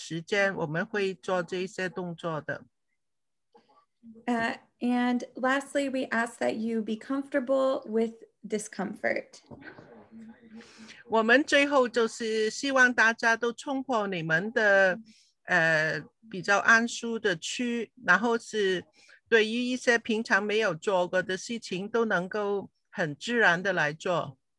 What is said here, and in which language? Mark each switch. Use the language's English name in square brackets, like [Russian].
[Chinese] 需要我们跟你们注引起你们注意的时间，我们会做这些动作的。 [English] And lastly, we ask that you be comfortable with discomfort. [Chinese] 我们最后就是希望大家都冲破你们的比较安舒的区，然后是对于一些平常没有做过的事情都能够很自然的来做。